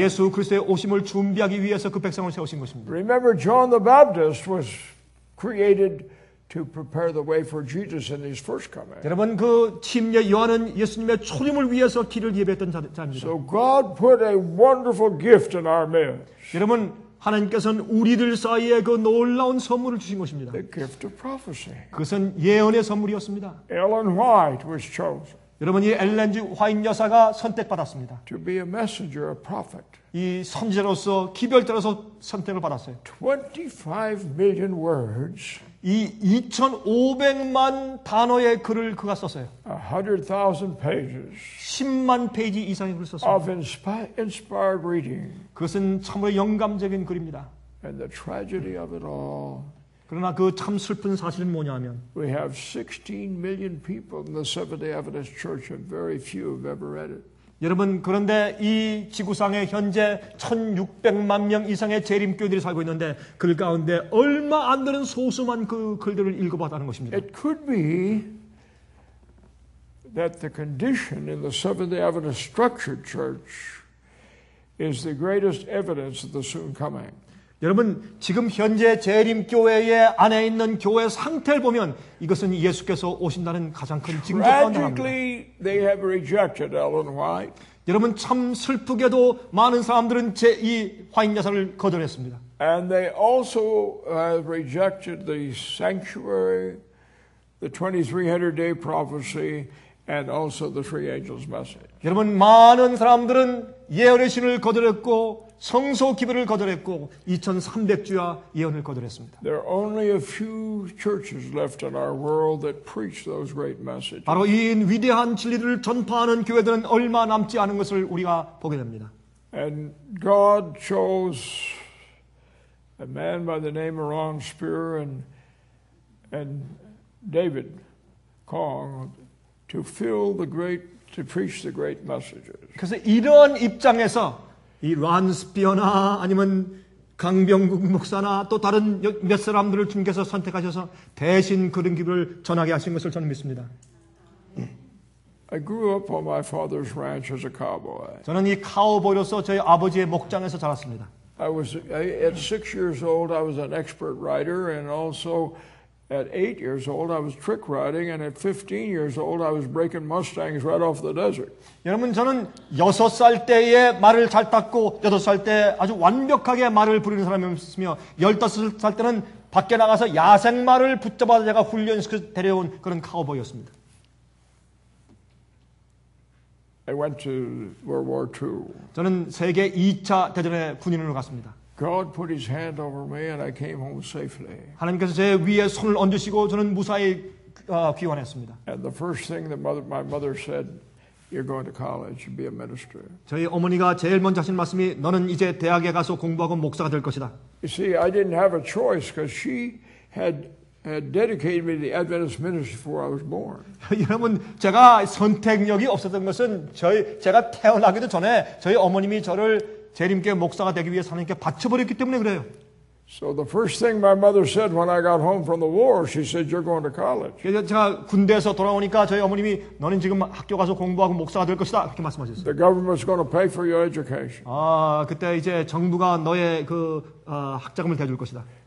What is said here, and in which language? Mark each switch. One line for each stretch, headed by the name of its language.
Korean: 예수 그리스도의 오심을 준비하기 위해서 그 백성을 세우신 것입니다.
English: Remember, John the Baptist was created to prepare the way for Jesus in His first coming.
Korean: 여러분 그 침례 요한은 예수님의 초림을 위해서 길을 예비했던 자입니다.
English: So God put a wonderful gift in our midst.
Korean: 여러분 하나님께서는 우리들 사이에 그 놀라운 선물을 주신 것입니다.
English: The gift of prophecy.
Korean: 그것은 예언의 선물이었습니다.
English: Ellen White was chosen.
Korean: 여러분 이 엘렌 G. 화인 여사가 선택받았습니다.
English: To be a messenger, a prophet.
Korean: 이 선지자로서 기별자로서 선택을 받았어요.
English: 25 million words.
Korean: 이 2,500만 단어의 글을 그가 썼어요.
English: 100,000 pages.
Korean: 10만 페이지 이상의 글을 썼습니다.
English: Of inspired reading.
Korean: 그것은 참으로 영감적인 글입니다.
English: And the tragedy of it all.
Korean: 그러나 그 참 슬픈 사실은 뭐냐면
English: We have 16 million people in the Seventh-day Adventist Church and very few have ever read it.
Korean: 여러분 그런데 이 지구상에 현재 1,600만 명 이상의 재림교회들이 살고 있는데 그 가운데 얼마 안 되는 소수만 그 글들을 읽어봤다는 것입니다.
English: It could be that the condition in the Seventh-day Adventist structured church is the greatest evidence of the soon coming.
Korean: 여러분 지금 현재 재림교회의 안에 있는 교회 상태를 보면 이것은 예수께서 오신다는 가장 큰 징조가 나옵니다. 여러분 참 슬프게도 많은 사람들은 이 화인 여사를 거절했습니다.
English: And they also have rejected the sanctuary, the 2300 day prophecy, and also the three angels' message.
Korean: 여러분 많은 사람들은 예언의 신을 거절했고 성소 기부를 거절했고 2300주야 예언을 거절했습니다.
English: There are only a few churches left in our world that preach those great messages.
Korean: 바로 이 위대한 진리를 전파하는 교회들은 얼마 남지 않은 것을 우리가 보게 됩니다.
English: And God chose a man by the name of Ron Spear and David Kong to fill the great to preach the great messages.
Korean: 그래서 이런 입장에서 이 런 스피어나 아니면 강병국 목사나 또 다른 몇 사람들을 주님께서 선택하셔서 대신 그런 기부를 전하게 하신 것을 저는 믿습니다.
English: I grew up on my father's ranch as a cowboy.
Korean: 저는 이 카우보이로서 저희 아버지의 목장에서 자랐습니다.
English: I was at 6 years old I was an expert rider and also at 8 years old I was trick riding and at 15 years old I was breaking mustangs right off the desert.
Korean: 여러분 저는 6살 때에 말을 잘 탔고 8살 때 아주 완벽하게 말을 부리는 사람이었으며 15살 때는 밖에 나가서 야생 말을 붙잡아서 제가 훈련시켜 데려온 그런 카우보이였습니다.
English: I went to World War II.
Korean: 저는 세계 2차 대전에 군인으로 갔습니다.
English: God put His hand over me, and I came home safely.
Korean: 하나님께서 제 위에 손을 얹으시고 저는 무사히 귀환했습니다.
English: And the first thing that my mother said, "You're going to college, you'll be a minister."
Korean: 저희 어머니가 제일 먼저 하신 말씀이 너는 이제 대학에 가서 공부하고 목사가 될 것이다.
English: You see, I didn't have a choice because she had dedicated me to the Adventist ministry before I was born.
Korean: 여러분, 제가 선택력이 없었던 것은 제가 태어나기도 전에 저희 어머님이 저를 재림교회 목사가 되기 위해 하나님께 바쳐버렸기 때문에 그래요.
English: So the first thing my mother said when I got home from the war, she said, "You're going to college."
Korean: 제가 군대에서 돌아오니까 저희 어머님이 너는 지금 학교 가서 공부하고 목사가 될 것이다 그렇게 말씀하셨어요.
English: The government's going to pay for your education.
Korean: 아, 그때 이제 정부가 너의 그 학자금을 대줄 것이다.